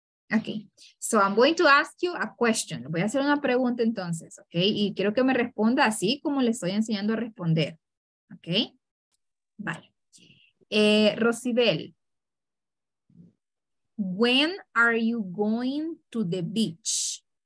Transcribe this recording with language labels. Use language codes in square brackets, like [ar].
[en] Okay, so I'm going to ask you a question. [es] Voy a hacer una pregunta entonces, okay? Y quiero que me responda así como le estoy enseñando a responder, okay? Vale. [en] Rosibel, when are you going to the beach?